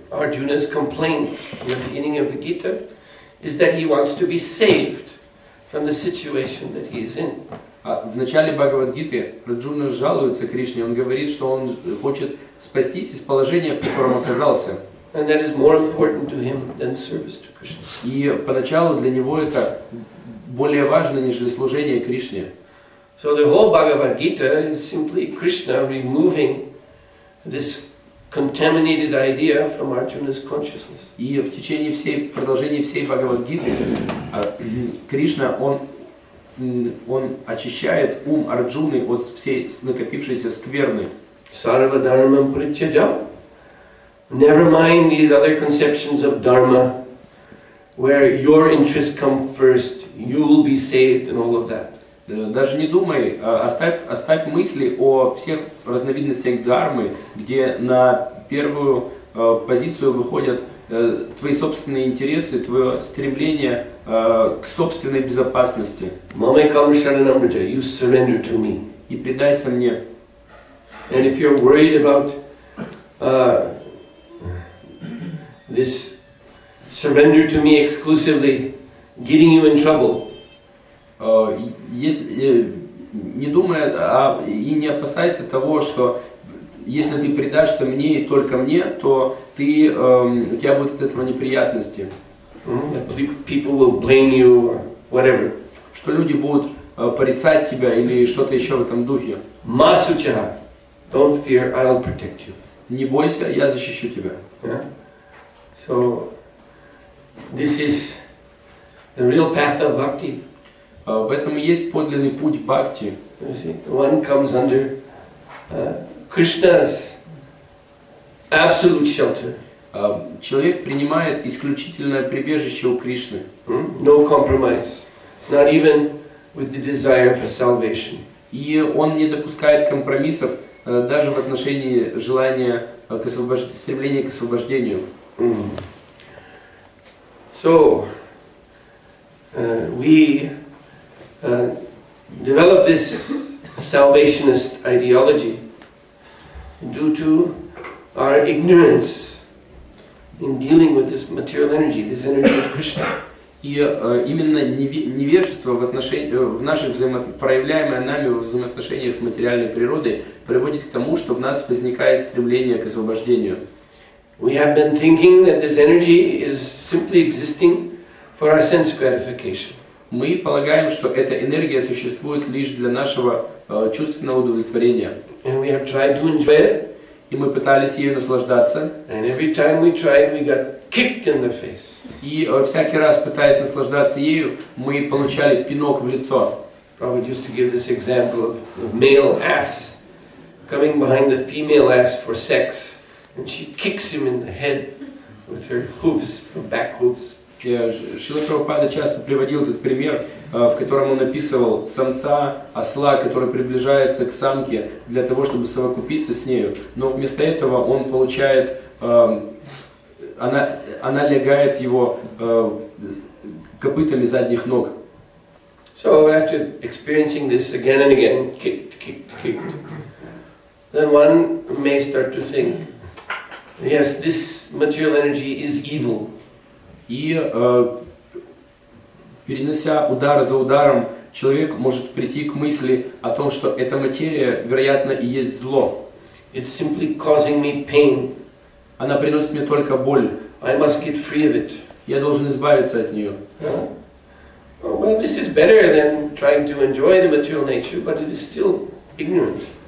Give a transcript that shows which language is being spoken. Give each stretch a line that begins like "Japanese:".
English: Arjuna's complaint in the beginning of the Gita is that he wants to be saved from the situation that he is in.
Russian: В начале Бхагавад Гиты Арджуна жалуется Кришне, он говорит, что он хочет спастись из положения, в котором оказался.
English: And that is more important to him than service to Krishna.
Russian: И поначалу для него это более важно, нежели служение Кришне.
English: So the whole Bhagavad Gita is simply Krishna removing this contaminated idea from Arjuna's consciousness.
Russian: И в течение всей продолжения всей Бхагавад Гиты Кришна он очищает ум Арджуны от всей накопившейся скверны.
Sanskrit: Sarva dharmam prityaja.
English: Never mind these other conceptions of dharma, where your interests come first, you will be saved and all of that.
Russian: Даже не думай, оставь мысли о всех разновидностях дхармы, где на первую позицию выходят твои собственные интересы, твое стремление к собственной безопасности.
Sanskrit: Mamekam sharanam raja,
English: you surrender to me.
Russian: И предайся мне.
English: And if you're worried about this surrender to me exclusively getting you in trouble,
Russian: не думай и не опасайся того, что если ты предашься мне и только мне, то ты у тебя будут от этого неприятности.
English: People will blame you or whatever.
Russian: Что люди будут порицать тебя или что-то еще в этом духе.
English: Masuchaha. Don't fear, I'll protect you.
Russian: Не бойся, я защищу тебя.
English: So this is the real path of bhakti.
Russian: В этом и есть подлинный путь бхакти.
English: You see, one comes under Krishna's absolute shelter.
Russian: Человек принимает исключительное прибежище у Кришны.
English: No compromise, not even with the desire for salvation.
Russian: И он не допускает компромиссов даже в отношении желания к освобождению, стремления к освобождению.
English: So we developed this salvationist ideology due to our ignorance in dealing with this material energy, this energy of Krishna.
Russian: И именно невежество в наших проявляемое нами в взаимоотношениях с материальной природой приводит к тому, что в нас возникает стремление к освобождению.
English: We have been thinking that this energy is simply existing for our sense gratification.
Russian: Мы полагаем, что эта энергия существует лишь для нашего чувственного удовлетворения.
English: And we have tried to enjoy it.
Russian: И мы пытались ею наслаждаться.
English: And every time we tried, we got kicked in the face.
Russian: И всякий раз, пытаясь наслаждаться ею, мы получали пинок в лицо.
English: Prabhupada used to give this example of the male ass coming behind the female ass for sex, and she kicks him in the head with her hooves, her back hooves.
Russian: Шрила Прабхупада часто приводил этот пример, в котором он описывал самца, осла, который приближается к самке для того, чтобы совокупиться с нею. Но вместо этого он получает, она легает его копытами задних ног.
English: So after experiencing this again and again, kicked, then one may start to think, yes, this material energy is evil.
Russian: И перенося удар за ударом, человек может прийти к мысли о том, что эта материя, вероятно, и есть зло.
English: It's simply causing me pain.
Russian: Она приносит мне только боль.
English: I must get free of it.
Russian: Я должен избавиться от нее.
English: Yeah. Well, this is better than trying to enjoy the material nature, but it is still ignorant.